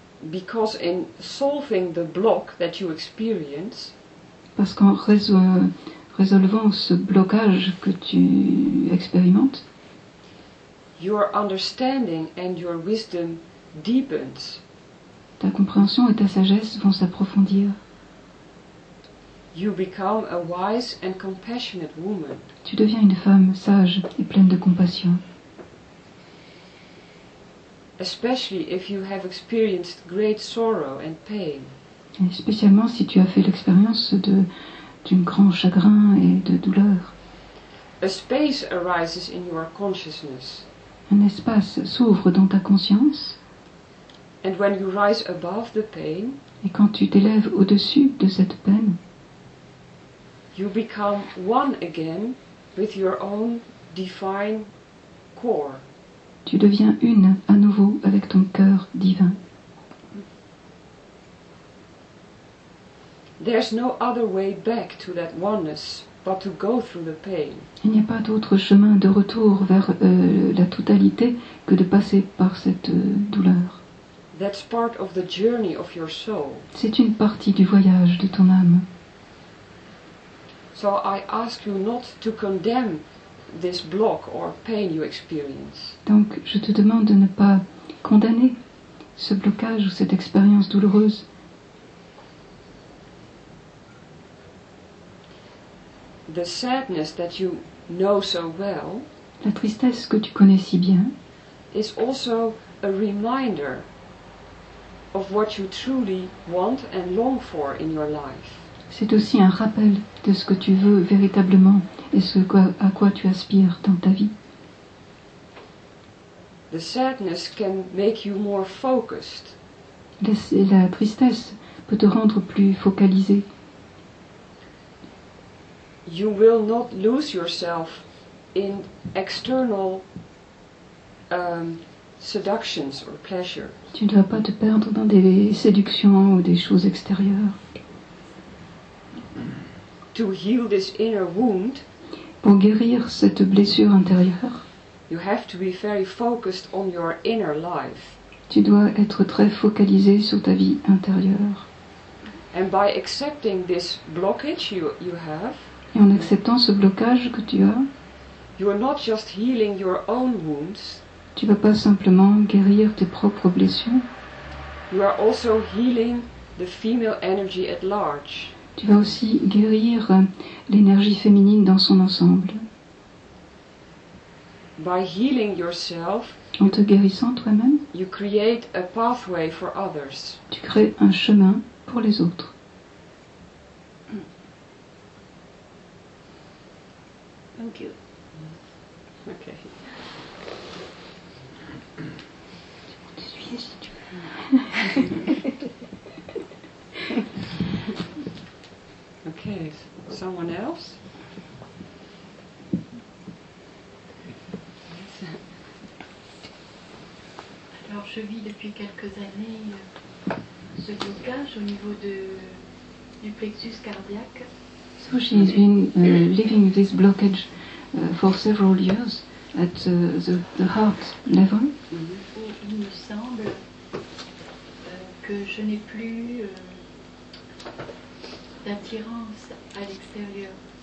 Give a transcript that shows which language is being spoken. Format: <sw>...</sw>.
<en>Because in solving the block that you experience,</en> <fr>parce qu'en résolvant ce blocage que tu expérimentes,</fr> <en>your understanding and your wisdom deepens.</en> <fr>Ta compréhension et ta sagesse vont s'approfondir.</fr> <en>You become a wise and compassionate woman.</en> <fr>Tu deviens une femme sage et pleine de compassion.</fr> <en>especially if you have experienced great sorrow and pain.</en> <fr>Et spécialement si tu as fait l'expérience de d'un grand chagrin et de douleur.</fr> <en>A space arises in your consciousness.</en> <fr>Un espace s'ouvre dans ta conscience.</fr> <en>And when you rise above the pain,</en> <fr>et quand tu t'élèves au-dessus de cette peine,</fr> <en>you become one again with your own divine core.</en> <fr>Tu deviens une à nouveau avec ton cœur divin.</fr> <en>There's no other way back to that oneness but to go through the pain.</en> <fr>Il n'y a pas d'autre chemin de retour vers la totalité que de passer par cette douleur.</fr> <en>That's part of the journey of your soul.</en> <fr>C'est une partie du voyage de ton âme.</fr> <en>So I ask you not to condemn this block or pain you experience.</en> <fr>Donc je te demande de ne pas condamner ce blocage ou cette expérience douloureuse.</fr> <en>The sadness that you know so well,</en> <fr>la tristesse que tu connais si bien,</fr> <en>is also a reminder of what you truly want and long for in your life.</en> <fr>C'est aussi un rappel de ce que tu veux véritablement et ce à quoi tu aspires dans ta vie.</fr> <en>The sadness can make you more focused.</en> <fr>La tristesse peut te rendre plus focalisé.</fr> <en>You will not lose yourself in external seductions or pleasures.</en> <fr>Tu ne vas pas te perdre dans des séductions ou des choses extérieures.</fr> <en>To heal this inner wound,</en> <fr>pour guérir cette blessure intérieure,</fr> <en>you have to be very focused on your inner life.</en> <fr>Tu dois être très focalisé sur ta vie intérieure.</fr> <en>And by accepting this blockage you have,</en> <fr>et en acceptant ce blocage que tu as,</fr> <en>you are not just healing your own wounds,</en> <fr>tu ne vas pas simplement guérir tes propres blessures.</fr> <en>You are also healing the female energy at large.</en> <fr>Tu vas aussi guérir l'énergie féminine dans son ensemble.</fr> <en>By healing yourself,</en> <fr>en te guérissant toi-même,</fr> <en>you create a pathway for others.</en> <fr>Tu crées un chemin pour les autres.</fr> <en>Thank you. Okay. Okay, someone else?</en> <fr>Alors, je vis depuis quelques années ce blocage au niveau du plexus cardiaque.</fr> <en>So she's been living this blockage for several years at the heart level. Mm-hmm.</en> <fr>Il me semble que je n'ai plus d'attirance à l'extérieur.</fr>